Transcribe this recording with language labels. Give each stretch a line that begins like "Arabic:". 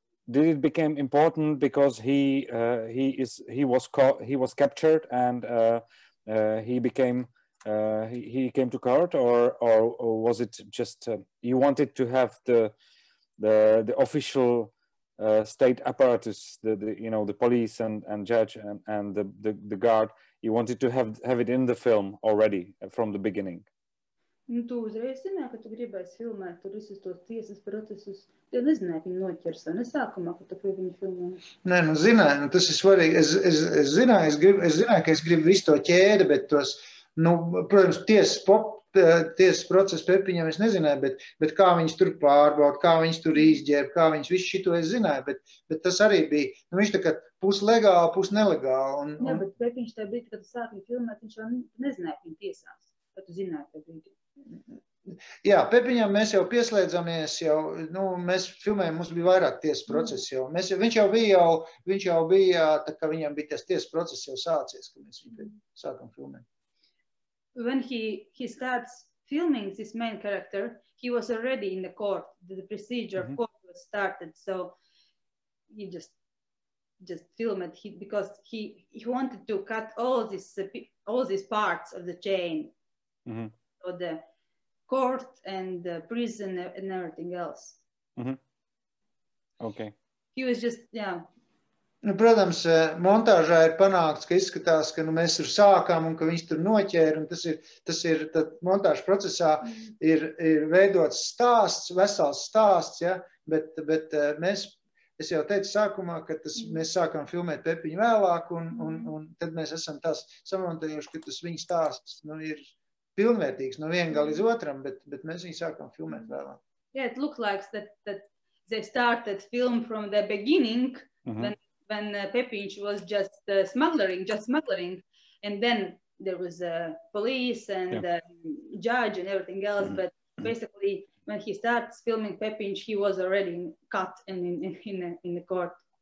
English: Did it became important because he was captured and he came to court or was it just you wanted to have the official state apparatus the police and judge and the guard you wanted to have it in the film already from the beginning.
Latvian: Nu, tu uzreiz zināji, ka tu gribēsi filmēt tur visus tos tiesas procesus. Tu nezināji, ka viņi noķers, vai ne sākumā, ka tu pie viņu filmēji? Nē, nu zināju, nu, tas ir svarīgi. Es zināju, ka es gribu visu to ķēdi, bet tos, nu, protams, tiesas procesu pepiņam es nezināju, bet kā viņš tur pārbaud, kā viņš tur izģērb, kā viņš visu šito es zināju, bet tas arī bija, nu viņš tagad pus legāli, pus nelegāli. Jā, bet pepiņš tā brīdī, kad tu sāki filmēt, viņš vēl nezināja, ka viņa tiesās, ka tu zināji, ka brīdī. Jā, Pepiņam mēs jau pieslēdzamies, jau, nu, mēs filmējam, mums bija vairāk tiesas procesi, jau, mēs, viņš jau bija, tā kā viņam bija tas tiesas process jau sācies, kad mēs viņu sākam filmēt.
English: When he starts filming this main character, he was already in the court, the procedure mm-hmm. court was started, so he just filmed it, because he wanted to cut all these parts of the chain. Mm-hmm. The court and the prison and everything else. Mm-hmm. Okay. He was just, yeah.
Latvian: Nu, protams, montāžā ir panākts, ka izskatās, ka nu, mēs tur sākām un ka viņš tur noķēra. Un tas ir tad montāžu procesā mm-hmm. ir veidots stāsts, vesels stāsts, ja? bet mēs, es jau teicu sākumā, ka tas, mm-hmm. mēs sākām filmēt Pepiņu vēlāk un tad mēs esam tās samontējuši, ka tas viņa stāsts nu, ir pilnvērtīgs no viena galīdz otram, bet mēs viņu sākām filmēt vēlāk.
English: Yeah, it looks like that they started film from the beginning, mm-hmm. when Pepiņš was just smuggling, and then there was police and yeah. Judge and everything else, mm-hmm. but basically when he starts filming Pepiņš, he was already cut and in the court.